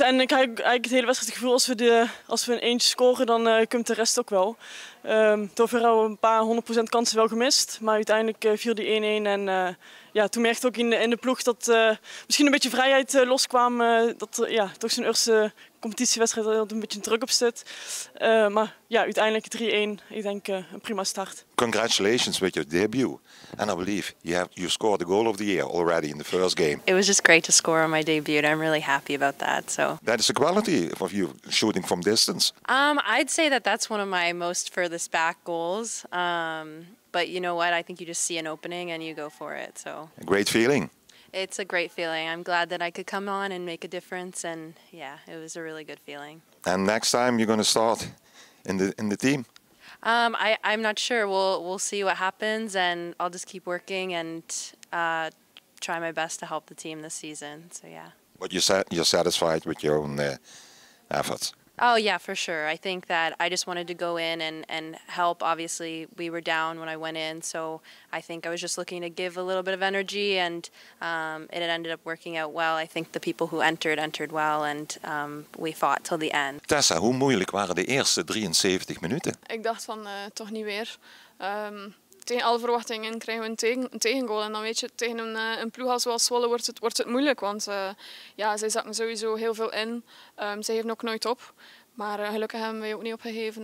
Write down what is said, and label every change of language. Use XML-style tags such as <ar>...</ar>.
<nl>En ik heb eigenlijk het hele wedstrijd het gevoel, als we een eentje scoren, dan komt de rest ook wel. Toch hebben we een paar 100% kansen wel gemist. Maar uiteindelijk viel die 1-1. En toen merkte ook in de ploeg dat misschien een beetje vrijheid loskwam. Dat er toch zo'n eerste competitiewedstrijd dat een beetje druk op zit. Maar ja, uiteindelijk 3-1. Ik denk een prima start.</nl> <en>Congratulations with your debut. And I believe you scored the goal of the year already in the first game. It was just great to score on my debut. I'm really happy about that. So that is the quality of you shooting from distance. I'd say that's one of my most furthest back goals. But you know what? I think you just see an opening and you go for it. So a great feeling. It's a great feeling. I'm glad that I could come on and make a difference. And yeah, it was a really good feeling. And next time you're going to start in the team? I'm not sure. We'll see what happens, and I'll just keep working and try my best to help the team this season. So yeah. But you're satisfied with your own efforts? Oh yeah, for sure. I think that I just wanted to go in and help. Obviously, we were down when I went in, so I think I was just looking to give a little bit of energy, and it ended up working out well. I think the people who entered well, and we fought till the end.</en> <nl>Tessa, hoe moeilijk waren de eerste 73 minuten? Ik dacht van toch niet weer. Tegen alle verwachtingen krijgen we een tegengoal. En dan weet je, tegen een ploeg als Zwolle wordt het moeilijk. Want zij zakken sowieso heel veel in. Zij geven ook nooit op. Maar gelukkig hebben wij ook niet opgegeven.</nl>